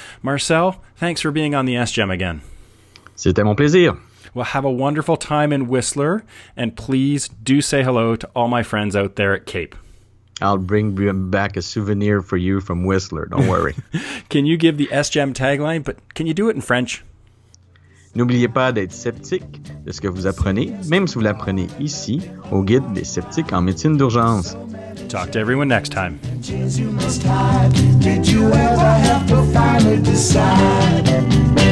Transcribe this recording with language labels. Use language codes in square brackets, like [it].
[en] Marcel, thanks for being on the SGEM again. [fr] C'était mon plaisir. [en] Well, have a wonderful time in Whistler, and please do say hello to all my friends out there at Cape. I'll bring back a souvenir for you from Whistler. Don't worry. Can you give the SGEM tagline, but can you do it in French? [fr] N'oubliez pas d'être sceptique de ce que vous apprenez, même si vous l'apprenez ici, au guide des sceptiques en médecine d'urgence. [en] Talk to everyone next time. Did you ever have to finally decide?